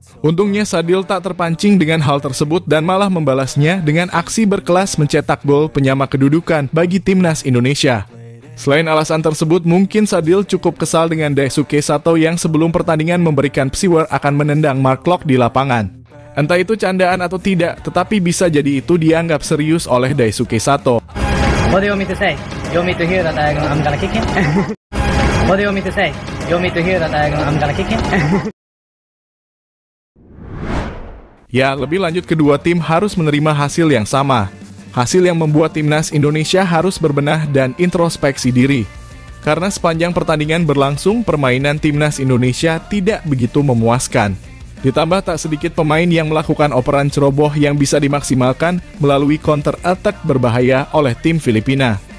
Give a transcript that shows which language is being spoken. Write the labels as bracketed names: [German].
[Indonesian] Untungnya Sadil tak terpancing dengan hal tersebut dan malah membalasnya dengan aksi berkelas mencetak gol penyama kedudukan bagi Timnas Indonesia. Selain alasan tersebut, mungkin Sadil cukup kesal dengan Daisuke Sato yang sebelum pertandingan memberikan psiwer akan menendang Mark Klok di lapangan. Entah itu candaan atau tidak, tetapi bisa jadi itu dianggap serius oleh Daisuke Sato. [English] What do you want me to say? You want me to hear that I'm gonna kick him? What do you want me to say? You want me to hear that I'm gonna kick him? [Indonesian] Ya, lebih lanjut kedua tim harus menerima hasil yang sama. Hasil yang membuat Timnas Indonesia harus berbenah dan introspeksi diri. karena sepanjang pertandingan berlangsung, permainan timnas Indonesia tidak begitu memuaskan. Ditambah tak sedikit pemain yang melakukan operan ceroboh yang bisa dimaksimalkan melalui counter attack berbahaya oleh tim Filipina.